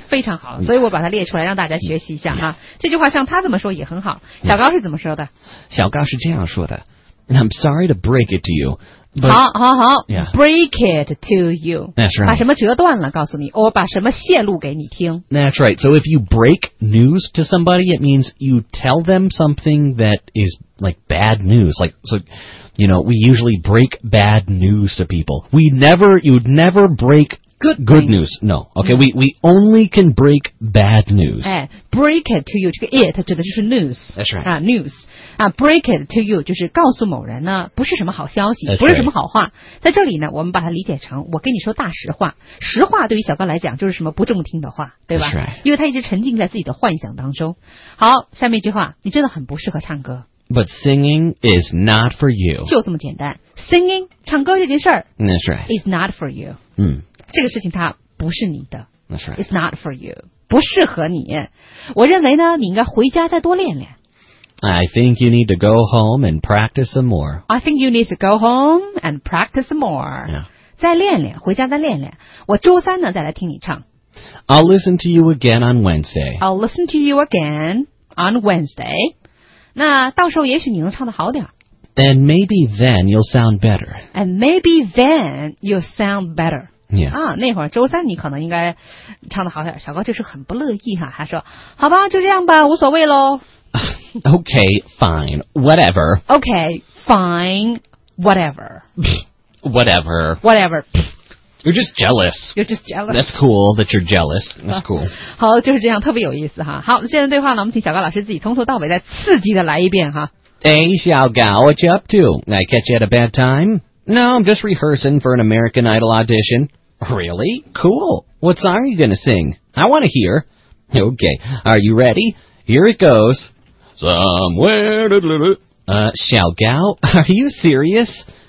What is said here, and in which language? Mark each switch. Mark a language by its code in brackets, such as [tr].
[zh] 非常好，所以我把它列出来让大家学习一下哈。这句话像他这么说也很好。小高是怎么说的？小高是这样说的 [en] ：I'm sorry to break it to you. But, [zh] 好 [en] yeah, ，break it to you. That's right. [zh] 把什么折断了告诉你 ，or 把什么泄露给你听。 [en] That's right. So if you break news to somebody, it means you tell them something that is like bad news. Like so. You know, we usually break bad news to people. You'd never break good news. No, okay, we only can break bad news. [zh] 哎 , [en] break it to you, [zh] 这个 it 指的就是 news. [en] That's right. [zh] News. [en] Break it to you [zh] 就是告诉某人呢不是什么好消息、 [en] That's、 [zh] 不是什么好话。 [en] Right. [zh] 在这里呢我们把它理解成我跟你说大实话。实话对于小高来讲就是什么不中听的话，对吧？ [en] That's right. [zh] 因为他一直沉浸在自己的幻想当中。好，下面一句话，你真的很不适合唱歌。 [en] But singing is not for you. [zh] 就这么简单。 [en] Singing, [zh] 唱歌这件事儿 [en] That's right. Is not for you. [zh] 这个事情它不是你的。 [en] That's right. It's not for you. [zh] 不适合你。我认为呢，你应该回家再多练练。 [en] I think you need to go home and practice some more. I think you need to go home and practice some more. Yeah. [zh] 再练练，回家再练练。我周三呢，再来听你唱。 [en] I'll listen to you again on Wednesday. I'll listen to you again on Wednesday. [zh] 那到时候也许你能唱得好点。 [en] And maybe then you'll sound better. And maybe then you'll sound better. Yeah. [zh] 啊，那会儿周三你可能应该唱得好点。小高就是很不乐意哈，他说：“好吧，就这样吧，无所谓喽。” [en] Okay, fine, whatever. Okay, fine, whatever. Whatever. Whatever. You're just jealous. You're just jealous. That's cool that you're jealous. That's cool. [zh] 好，就是这样，特别有意思哈。好，现在对话呢，我们请小高老师自己从头到尾再刺激的来一遍哈。 [en] Hey, 小高, what you up to? I catch you at a bad time? No, I'm just rehearsing for an American Idol audition. Really? Cool. What song are you going to sing? I want to hear. Okay, are you ready? Here it goes. Somewhere. Xiao Gao, are you serious?